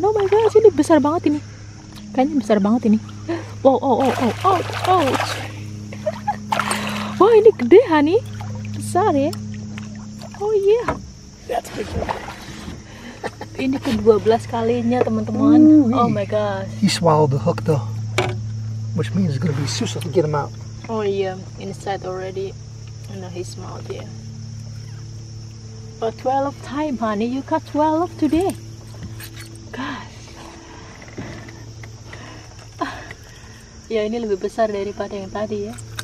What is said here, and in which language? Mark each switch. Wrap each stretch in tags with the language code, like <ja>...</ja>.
<en>Oh my gosh,</en> <id>ini besar banget ini. Kayaknya besar banget ini. Wow, oh, oh, oh, oh, oh. Wow, ini gede, honey. Besar ya. Oh iya. Yeah. Ini ke-12 kalinya, teman-teman.</id> <en>Ooh, oh my gosh. He swallowed the hook though. Which means it's gonna be</en> <id>susah</id> <en>to get him out. Oh yeah, inside already, in his mouth, yeah. But 12 time, honey, you got 12 today. God.</en> <id>Ya, ini lebih besar daripada yang tadi ya.</id>